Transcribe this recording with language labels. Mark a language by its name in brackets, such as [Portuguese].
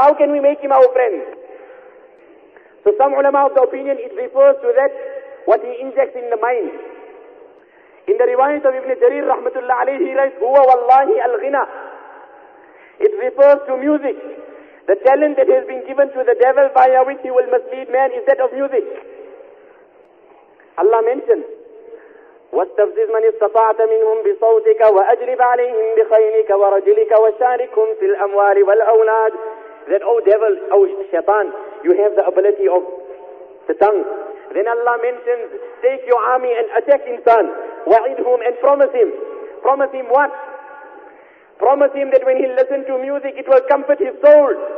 [English] How can we make him our friend? So some ulama of the opinion, it refers to that what he injects in the mind. In the riwayat of Ibn Jarir rahmatullah alayhi, he writes, [Arabic] Huwa wallahi al-ghina. [English] It refers to music. The talent that has been given to the devil via which he will mislead man is that of music. Allah mentions, [Arabic] وَاسْتَفْزِزْ مَنِ اسْتَطَعْتَ مِنْهُمْ بِصَوْتِكَ وَأَجْلِبْ عَلَيْهِمْ بِخَيْنِكَ وَرَجِلِكَ وَشَارِكُمْ فِي الْأَمْوَالِ وَالْأَوْلَادِ. [English] That, O devil, O shaitan, you have the ability of the tongue. Then Allah mentions, take your army and attack insan. وَعِدْهُمْ and promise him. Promise him what? Promise him that when he listens to music, it will comfort his soul.